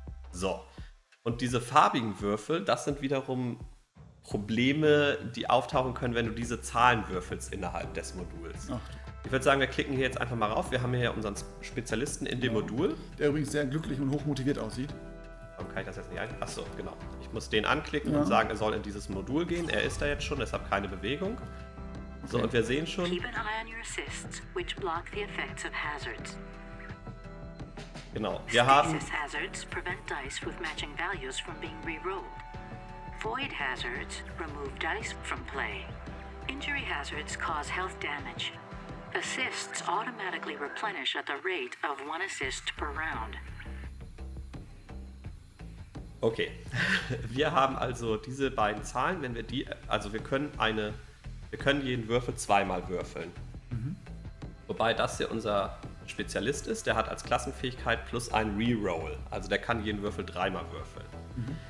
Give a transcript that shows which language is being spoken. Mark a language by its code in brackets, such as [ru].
[de] So, und diese farbigen Würfel, das sind wiederum Probleme, die auftauchen können, wenn du diese Zahlen würfelst innerhalb des Moduls. Ach. Ich würde sagen, wir klicken hier jetzt einfach mal rauf. Wir haben hier unseren Spezialisten in dem Modul. Der übrigens sehr glücklich und hochmotiviert aussieht. Warum kann ich das jetzt nicht einklicken? Achso, genau. Ich muss den anklicken und sagen, er soll in dieses Modul gehen. Er ist da jetzt schon, deshalb keine Bewegung. So, okay. Und wir sehen schon. [en] Keep an eye on your assists, which block the effects of hazards. [de] Genau, wir haben. [en] Stasis hazards prevent dice with matching values from being re-rolled. Void hazards remove dice from play. Injury hazards cause health damage. Assists automatically replenish at the rate of one assist per round. [de] Okay, wir haben also diese beiden Zahlen, wenn wir die, also wir können eine, wir können jeden Würfel zweimal würfeln. Mhm. Wobei das hier unser Spezialist ist, der hat als Klassenfähigkeit plus ein Reroll, also der kann jeden Würfel dreimal würfeln. Mhm.